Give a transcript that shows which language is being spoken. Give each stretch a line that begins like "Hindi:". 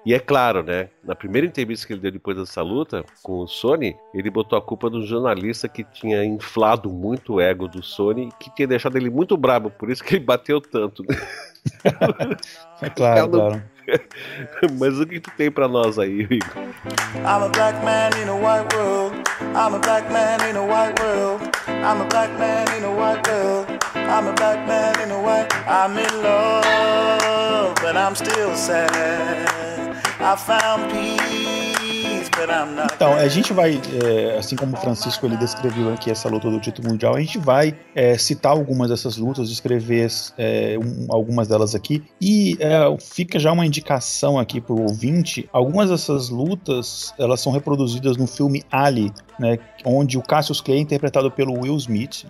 Portuguese: E é claro, né, na primeira entrevista que ele deu depois dessa luta com o Sonny, ele botou a culpa do jornalista que tinha inflado muito o ego do Sonny, que tinha deixado ele muito brabo, por isso que ele bateu tanto, né? É claro, não... claro. Mas o que tu tem pra nós aí, Igor?
English: I'm a black man in a white world. I'm a black man in a white world. I'm a black man in a white world. I'm a black man in a white. I'm in love, but I'm still sad. I found peace, but I'm not.
Portuguese: Então, a gente vai, assim como o Francisco ele descreveu aqui essa luta do título mundial, a gente vai citar algumas dessas lutas, descrever algumas delas aqui. E fica já uma indicação aqui para o ouvinte: algumas dessas lutas elas são reproduzidas no filme Ali, né, onde o Cassius Clay é interpretado pelo Will Smith.